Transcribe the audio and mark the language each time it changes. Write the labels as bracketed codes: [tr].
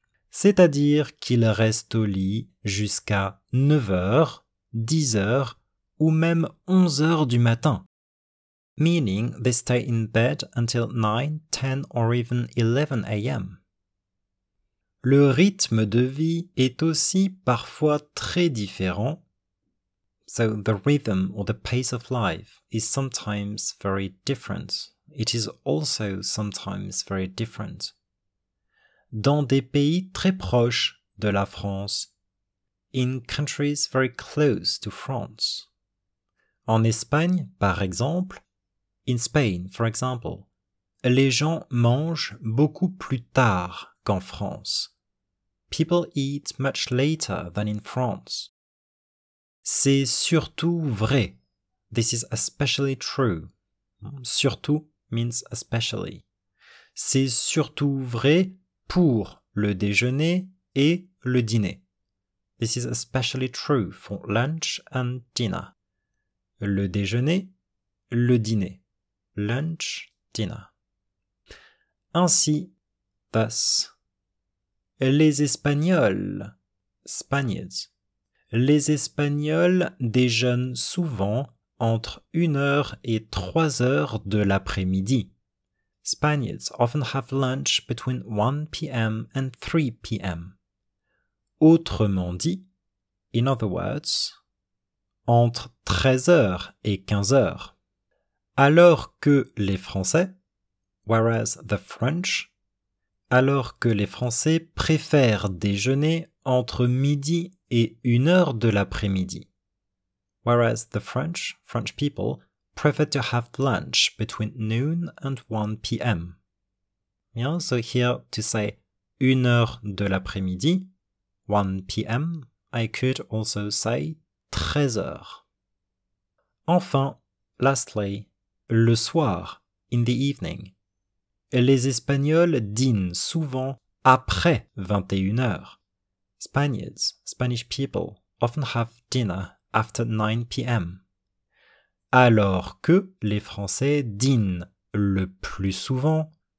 [fr] C'est-à-dire qu'il reste au lit jusqu'à 9h, 10h ou même 11h du matin. [en] Meaning they stay in bed until 9, 10 or even 11 a.m. [fr] Le rythme de vie est aussi parfois très différent. [en] So the rhythm or the pace of life is sometimes very different. It is also sometimes very different. [fr] Dans des pays très proches de la France, [en] in countries very close to France. [fr] En Espagne, par exemple, [en] in Spain, for example, [fr] les gens mangent beaucoup plus tard qu'en France. [en] People eat much later than in France. [fr] C'est surtout vrai. [en] This is especially true. Surtout means especially. [fr] C'est surtout vrai pour le déjeuner et le dîner. [en] This is especially true for lunch and dinner. [fr] Le déjeuner, le dîner. [en] Lunch, dinner. [fr] Ainsi, thus, les Espagnols, [en] Spaniards, [fr] les Espagnols déjeunent souvent entre 1h et 3h de l'après-midi. [en] Spaniards often have lunch between 1 p.m. and 3 p.m. [fr] Autrement dit, [en] in other words, [fr] entre 13h et 15h. Alors que les Français, [en] whereas the French, [fr] alors que les Français préfèrent déjeuner entre midi et 1h de l'après-midi. [en] Whereas the French people, prefer to have lunch between noon and 1 p.m. Yeah, so here to say [fr] 1h de l'après-midi, [en] 1 p.m, I could also say 13h. [fr] Enfin, lastly, le soir, [en] in the evening. [fr] Les Espagnols dînent souvent après 21h. [en] Spanish people, often have dinner after 9 p.m. [fr] Alors que les Français dînent le plus souvent,